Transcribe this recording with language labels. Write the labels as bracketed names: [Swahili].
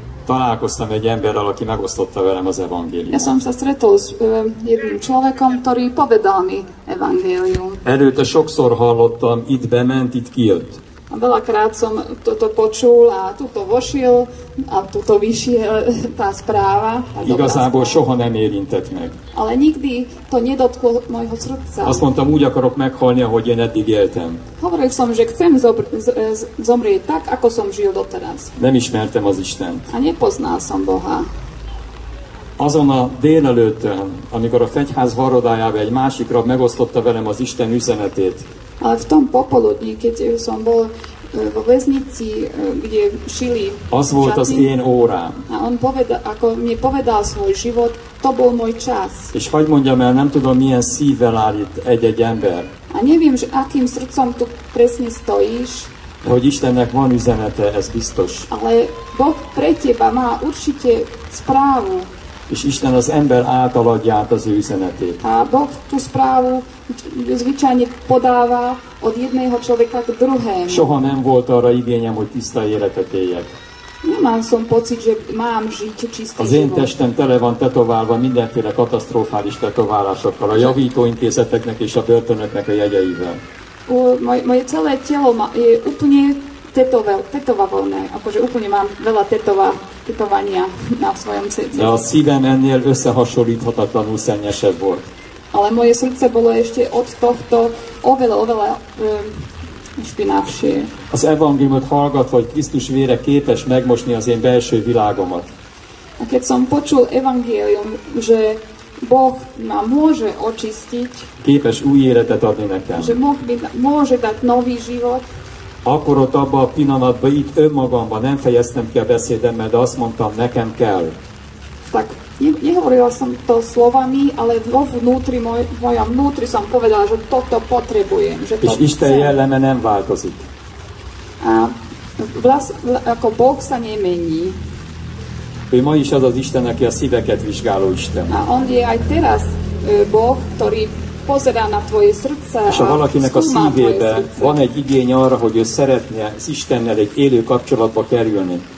[Hungarian] Találkoztam egy emberrel, aki megosztotta velem az evangéliumot. [Slovak] Ja som sa stretol s jedným človekom, ktorý povedal mi evangélium. [Hungarian] Előtte sokszor hallottam, itt bement, itt kijött. [Slovak] A veľakrát som toto počul a tuto vošiel a tuto vyšiel tá správa. [Hungarian] Igazából soha nem érintett meg. [Slovak] Ale nikdy to nedotklo mojho srdca. [Hungarian] Azt mondtam, úgy akarok meghalni, ahogy én eddig éltem. [Slovak] Hovoril som, že chcem zomrieť tak, ako som žil doteraz. [Hungarian] Nem ismertem az Istent. [Slovak] A nepoznal som Boha. [Hungarian] Azon a délelőttön, amikor a fegyház varrodájában egy másik rab megosztotta velem az Isten üzenetét. [Slovak] Ale v tom popoludní, keď som bol vo väznici, kde šili [Hungarian] az volt az én órám. [Slovak] A on povedal, ako mi povedal svoj život, to bol môj čas. [Hungarian] És hogy mondjam el, nem tudom, milyen szívvel áll itt egy-egy ember. [Slovak] A neviem, že akým srdcom tu presne stojíš. [Hungarian] De hogy Istennek van üzenete, ez biztos. [Slovak] Ale Boh pre teba má určite správu. [Hungarian] És Isten az ember által adja át az ő üzenetét. [Slovak] A Boh tú správu zvyčajne podáva od jedného človeka k druhému. [Hungarian] Soha nem volt arra igényem, hogy tiszta életet éljek. [Slovak] Nemám som pocit, že mám žiť čistý život. [Hungarian] Az én testem tele van tetoválva mindenféle katasztrofális tetoválásokkal, a javítóintézeteknek és a börtönöknek a jegyeivel. [Slovak] Moje celé telo je úplne tetovavolné, akože úplne mám veľa tetovania na svojom srdci. [Hungarian] De a szívem ennél összehasonlíthatatlanul szennyesebb volt. [Slovak] Ale moje srdce bolo ešte od tohto oveľa špinavšie. [Hungarian] Az evangéliumot hallgatva, hogy Krisztus vére képes megmosni az én belső világomat. [Slovak] A keď som počul evangélium, že Boh ma môže očistiť, [Hungarian] képes új életet adni nekem, [Slovak] že Boh mi môže dať nový život, [Hungarian] akkor ott abban a pillanatban itt önmagamban nem fejeztem ki a beszédemmel, de azt mondtam, nekem kell. [Slovak] Tak, nehovorila som to slovami, ale vo vnútri, moja vnútri som povedala, že toto potrebujem. Že [Hungarian] és Isten jelleme nem változik. [Slovak] A ako Boh sa nemení. [Hungarian] Ő ma is az Isten, aki a szíveket vizsgáló Isten. [Slovak] A on je aj teraz Boh, ktorý pozerá na tvoje srdce. [Hungarian] És ha valakinek a szívébe van egy igény arra, hogy ő szeretne az Istennel egy élő kapcsolatba kerülni.